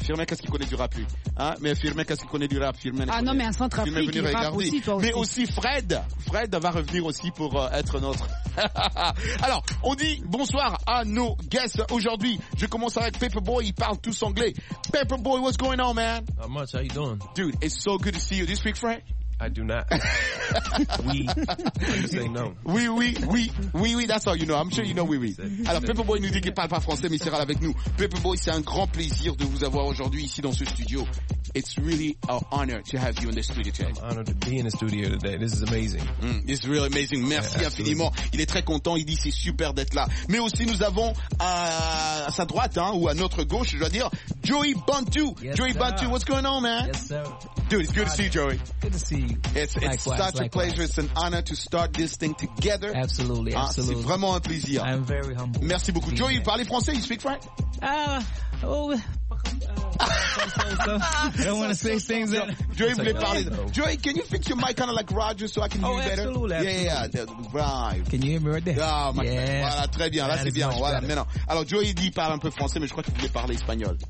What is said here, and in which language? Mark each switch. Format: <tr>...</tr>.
<fr>Firmin, qu'est-ce qu'il connaît du rap, lui? Hein? Mais Firmin, qu'est-ce qu'il connaît du rap? Firmin, ah non, mais un centre africain. Firmin est venu regarder. Aussi, toi aussi. Mais aussi Fred. Fred va revenir aussi pour être notre. Alors, on dit bonsoir à nos guests aujourd'hui. Je commence avec Paperboy, il parle tous anglais.</fr> <en>Paperboy, what's going on, man? Not much, how you doing? Dude, it's so good to see you. Do you speak French? I do not. Oui, that's all you know. I'm sure you know oui.</en> <fr>Alors, Paperboy nous dit qu'il parle pas français, mais il sera là avec nous. Paperboy, c'est un grand plaisir de vous avoir aujourd'hui ici dans ce studio.</fr> <en>It's really an honor to have you in the studio today. I'm honored to be in the studio today. This is amazing. It's really amazing.</en> <fr>Merci infiniment. Il est très content. Il dit c'est super d'être là. Mais aussi, nous avons à sa droite, hein, ou à notre gauche, je dois dire, Joey Bantu.</fr> <en>Yes, Joey sir. Bantu, what's going on, man? Yes, sir. Dude, it's good to see you, Joey. Good to see you. It's such a pleasure. It's an honor to start this thing together. Absolutely, absolutely.</en> <fr>C'est vraiment un plaisir.</fr> <en>I'm very humble.</en> <fr>Merci beaucoup. Joey, you parlez français?</fr> <en>You speak French? I don't want to say things that...</en> <fr>Joey, vous voulez parler.</fr> <en>Joey, can you fix your mic kind of like Roger so I can hear you better? Absolutely. Can you hear me right there?</en> <fr>Ah, oh, yeah. Voilà, très bien. Là, c'est bien. Voilà, maintenant. Alors, Joey dit parle un peu français, mais je crois qu'il voulait parler espagnol.</fr>